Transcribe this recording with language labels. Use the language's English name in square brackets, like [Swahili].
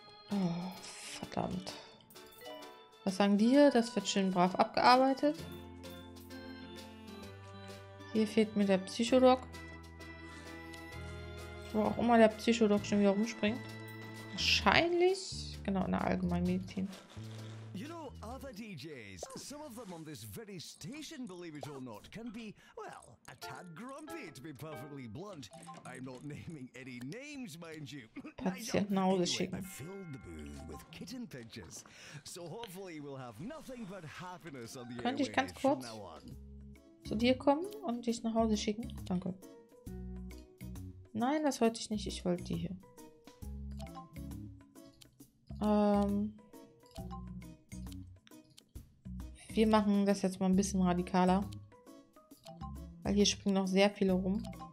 [German] Oh, verdammt. Was sagen die hier? Das wird schön brav abgearbeitet. Hier fehlt mir der Psychodok. Wo auch immer der Psychodok schon wieder rumspringt. Wahrscheinlich. Genau, in der Allgemeinmedizin. [English] DJs, some of them on this very station, believe it or not, can be, well, a tad grumpy, to be perfectly blunt. I'm not naming any names, mind you. I filled the booth with kitten pictures, so hopefully we'll have nothing but happiness on the airwaves. [German] Könnte ich ganz kurz zu dir kommen und dich nach Hause schicken? Danke. Nein, das wollte ich nicht. Ich wollte die hier. Wir machen das jetzt mal ein bisschen radikaler. Weil hier springen noch sehr viele rum.